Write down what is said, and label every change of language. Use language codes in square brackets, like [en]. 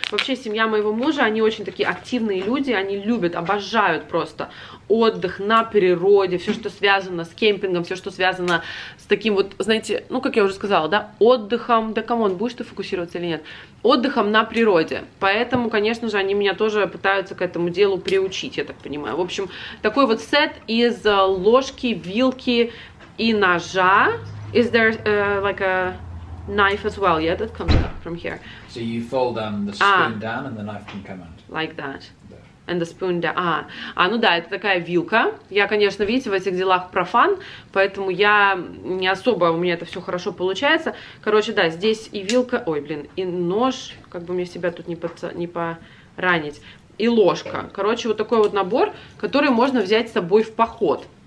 [ru] Вообще, семья моего мужа, они очень такие активные люди, они любят, обожают просто отдых на природе, все, что связано с кемпингом, все, что связано с таким вот, знаете, ну, как я уже сказала, да, отдыхом, да камон, будешь ты фокусироваться или нет, отдыхом на природе. Поэтому, конечно же, они меня тоже пытаются к этому делу приучить, я так понимаю. В общем, такой вот сет из ложки, вилки и ножа. [en] Is there like a knife as well? Yeah, that comes out from here. So you fold the spoon down and the knife can come out. Like that. And the spoon down. [ru] А, ну да, это такая вилка. Я, конечно, видите, в этих делах профан, поэтому я не особо, у меня это все хорошо получается. Короче, да, здесь и вилка, ой, блин, и нож, как бы мне себя тут не поранить, и ложка. Короче, вот такой вот набор, который можно взять с собой в поход.